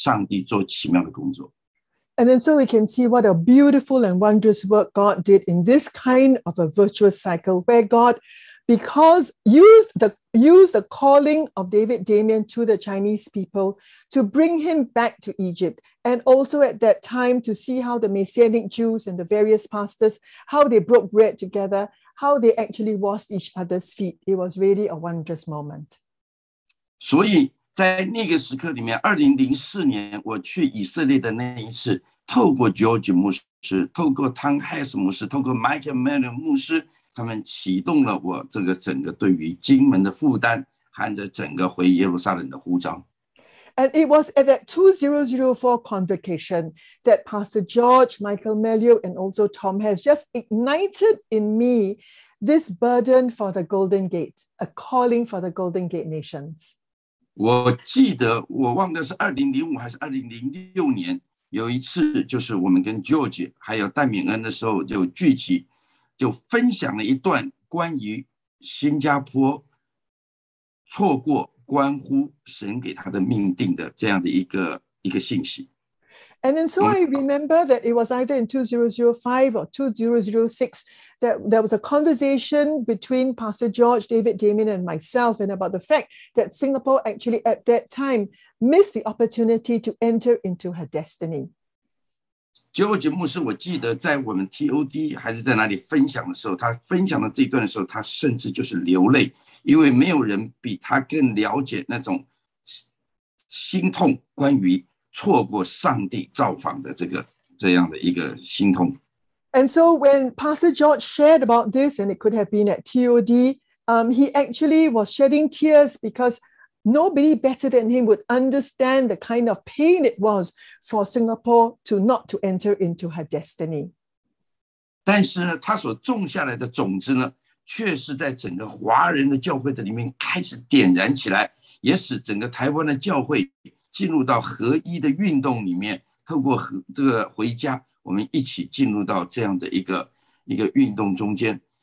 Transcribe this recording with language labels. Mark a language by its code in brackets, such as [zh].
[zh] 上帝做奇妙的工作。 [en] And then so we can see what a beautiful and wondrous work God did in this kind of a virtuous cycle where God, because used the calling of David Damien to the Chinese people to bring him back to Egypt. And also at that time to see how the Messianic Jews and the various pastors, how they broke bread together, how they actually washed each other's feet. It was really a wondrous moment. [zh] 所以在那个时刻里面2004年我去以色列的那一次，透过 George 牧师，透过 Tom Hess 牧师，透过 Michael Mellon 牧师，他们启动了我这个整个对于经文的负担和着整个回耶路撒冷的呼召。 [en] And it was at that 2004 convocation that Pastor George, Michael Mellon and also Tom Hess just ignited in me this burden for the Golden Gate, a calling for the Golden Gate nations. [zh] 我记得我忘了是2005还是2006年，有一次就是我们跟 George 还有戴敏恩的时候就聚集，就分享了一段关于新加坡错过关乎神给他的命定的这样的一个信息。 [en] And then so I remember that it was either in 2005 or 2006 that there was a conversation between Pastor George, David Damien and myself and about the fact that Singapore actually at that time missed the opportunity to enter into her destiny. [zh] George 牧师我记得在我们 TOD 还是在哪里分享的时候，他分享了这一段的时候，他甚至就是流泪，因为没有人比他更了解那种心痛关于错过上帝造访的这样的一个心痛。 [en] And so when Pastor George shared about this, and it could have been at TOD, he actually was shedding tears because nobody better than him would understand the kind of pain it was for Singapore to not to enter into her destiny. [zh] 但是呢，他所种下来的种子呢，却是在整个华人的教会的里面开始点燃起来，也使整个台湾的教会进入到合一的运动里面，透过这个回家，我们一起进入到这样的一个运动中间。